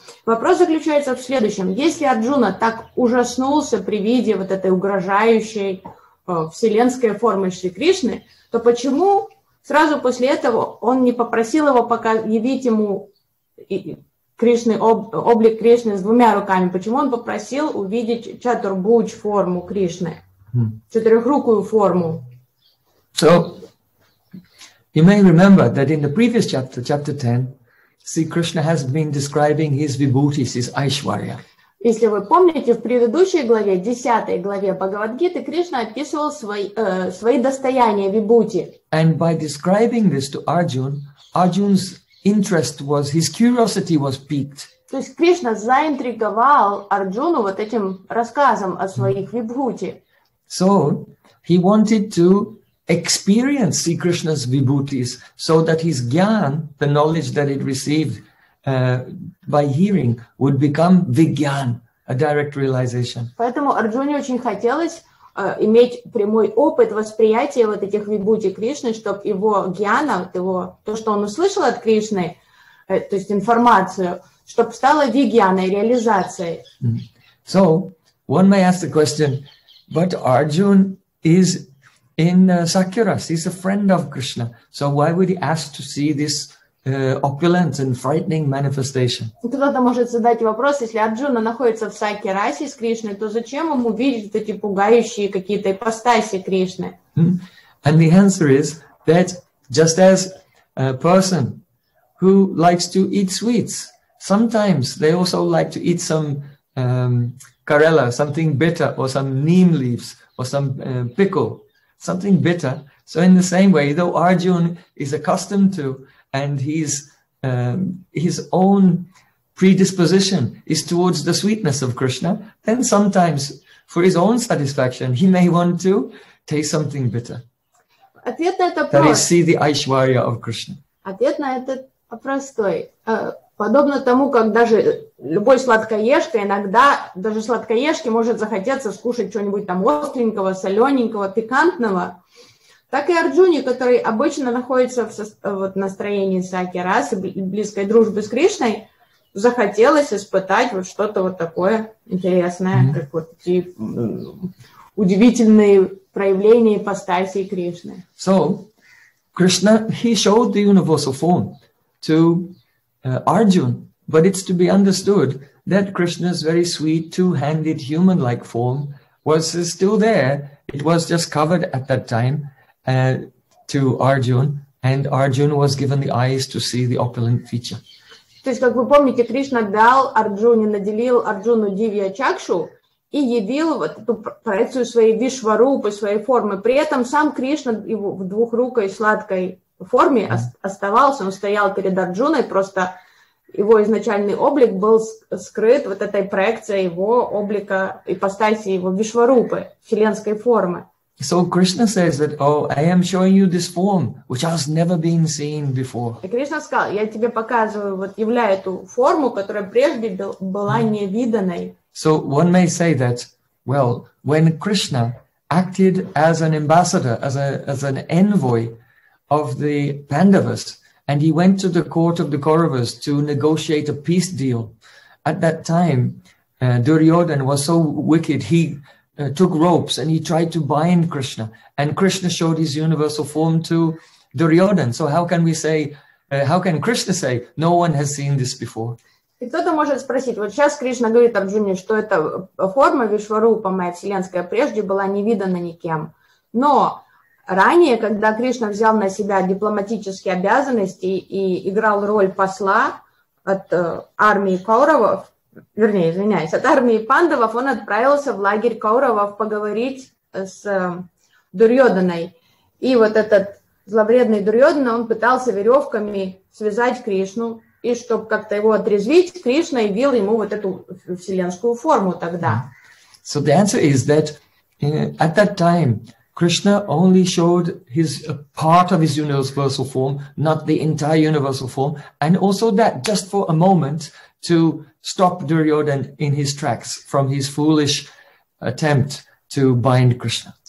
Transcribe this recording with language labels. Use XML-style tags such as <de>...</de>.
<ru>Вопрос заключается в следующем. Если Арджуна так ужаснулся при виде вот этой угрожающей вселенской формы Шри Кришны, то почему сразу после этого он не попросил его пока явить ему Кришны, облик Кришны с двумя руками? Почему он попросил увидеть чатурбуч форму Кришны, четырехрукую форму?</ru> <en>So, you may remember that in the previous chapter, chapter 10, Sri Krishna has been describing his vibhutis, his aishwarya.</en> <ru>Если вы помните, в предыдущей главе, 10 главе Бхагавад-гиты, Кришна описывал свои достояния, вибхути.</ru> <en>And by describing this to Arjuna, Arjuna's interest was, his curiosity was piqued.</en> <ru>То есть Кришна заинтриговал Арджуну вот этим рассказом о своих вибхути.</ru> <en>So, he wanted to experience Sri Krishna's vibhutis so that his gyan, the knowledge that it received by hearing, would become vigyan, a direct realization.</en> <ru>Поэтому Арджуне очень хотелось иметь прямой опыт восприятия вот этих вибхути Кришны, чтобы его гьяна, его, то, что он услышал от Кришны, то есть информацию, чтобы стало вигьяной, реализацией. Mm-hmm.</ru> <en>So, one may ask the question, but Arjun is in Sakyaras, he's a friend of Krishna, so why would he ask to see this opulent and frightening manifestation?</en> <ru>Кто-то может задать вопрос, если Арджуна находится в Сакьярасе с Кришной, то зачем ему видеть эти пугающие какие-то ипостаси Кришны?</ru> <en>And the answer is that just as a person who likes to eat sweets, sometimes they also like to eat some karela, something bitter, or some neem leaves, or some pickle, something bitter. So in the same way, though Arjuna is accustomed to and his own predisposition is towards the sweetness of Krishna, then sometimes, for his own satisfaction, he may want to taste something bitter.</en> <ru>Ответ на этот вопрос.</ru> <en>That is, see the Aishwarya of Krishna.</en> <ru>Ответ на этот вопрос такой. Подобно тому, как даже любой сладкоежка, иногда даже сладкоежке может захотеться скушать что-нибудь там остренького, солененького, пикантного. Так и Арджуни, который обычно находится в настроении сакьярасы, близкой дружбы с Кришной, захотелось испытать вот что-то вот такое интересное, mm-hmm. как вот эти удивительные проявления ипостаси Кришны.</ru> <en>So, Krishna, he showed the universal form to Arjun, but it's to be understood that Krishna's very sweet, two-handed, human-like form was still there. It was just covered at that time. To Arjun, and Arjun was given the eyes to see the opulent feature.</en> <ru>То есть, как вы помните, Кришна дал Арджуне, наделил Арджуну дивья чакшу и явил вот эту проекцию своей вишварупы, своей формы. При этом сам Кришна его в двухрукой сладкой форме оставался, он стоял перед Арджуной, просто его изначальный облик был скрыт вот этой проекцией его облика, ипостаси его вишварупы, вселенской формы.</ru> <en>So Krishna says that, oh, I am showing you this form, which has never been seen before.</en> <ru>И Кришна сказал, я тебе показываю, вот являю эту форму, которая прежде была невиданной.</ru> <en>So one may say that, well, when Krishna acted as an ambassador, as an envoy of the Pandavas, and he went to the court of the Kauravas to negotiate a peace deal, at that time, Duryodhan was so wicked, he took ropes and he tried to bind Krishna, and Krishna showed his universal form to Duryodhan. So how can we say, how can Krishna say, no one has seen this before?</en> <ru>И кто-то может спросить, вот сейчас Кришна говорит Арджуне, что эта форма Вишварупа моя вселенская прежде была не видана никем. Но ранее, когда Кришна взял на себя дипломатические обязанности и играл роль посла от армии Кауравов, вернее, извиняюсь, от армии Пандавов, он отправился в лагерь Кауравов поговорить с Дурьоданой. И вот этот зловредный Дурьодан, он пытался веревками связать Кришну и чтобы как-то его отрезвить, Кришна явил ему вот эту вселенскую форму тогда.</ru> <en>So the answer is that at that time Krishna only showed his part of his universal form, not the entire universal form, and also that just for a moment to stop Duryodhan in his tracks from his foolish attempt to bind Krishna.</en>